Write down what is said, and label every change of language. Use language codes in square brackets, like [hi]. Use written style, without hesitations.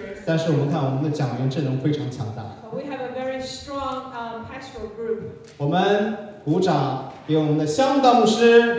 [zh] 但是我们看我们的讲员阵容非常强大。 [en] We have a very strong pastoral group. [zh] 我们鼓掌给我们的香道牧师。